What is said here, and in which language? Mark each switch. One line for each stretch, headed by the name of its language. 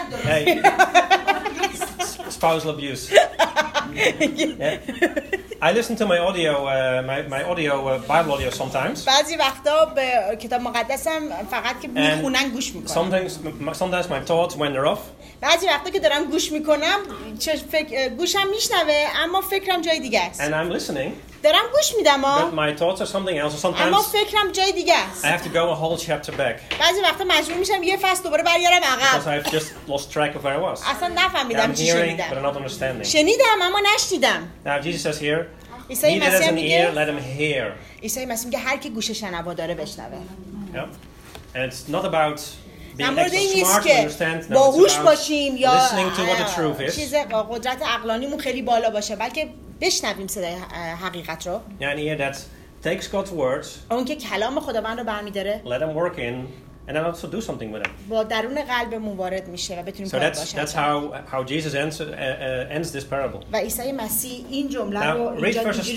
English: Hey, spousal abuse. Yeah. I listen to my audio, my audio Bible audio sometimes.
Persian: بعضی وقتا به کتاب مقدسم فقط که میخونن گوش میکنم.
English: Sometimes my thoughts wander off.
Persian: بعضی وقتا که دارم گوش میکنم، گوشم میشنوه، اما فکرم جای دیگه است.
English: And I'm listening.
Persian: دارم گوش میدم
English: but my thoughts are something else. Sometimes
Persian: اما فکرم جای دیگه است.
English: I have to go a whole chapter back.
Persian: بعضی وقتا مجبور میشم یه فصل دوباره برگردم عقب.
English: Because I've just lost track of where I was.
Persian: اصلا نفهمیدم چی شنیدم.
English: But I'm not understanding.
Persian: شنیدم اما نشنیدم.
English: Now Jesus says here.
Persian: عیسی مسیح میگه.
English: Let him hear.
Persian: عیسی مسیح میگه هر کی گوش شنوا داره بشنوه.
English: Yep. And it's not about
Persian: نمورده این نیست که باهوش باشیم یا چیز با قدرت عقلانیمون خیلی بالا باشه، بلکه بشنویم صدای حقیقت رو.
English: یعنی ear that takes God's words.
Persian: اون که کلام خداوند رو برمی‌داره.
English: Let him work in and then also do something with it.
Persian: با درون قلبمون وارد میشه و بتونیم کار باشه.
English: So that's how Jesus ends this parable.
Persian: و عیسی مسیح این جمله رو اینجا اینجوری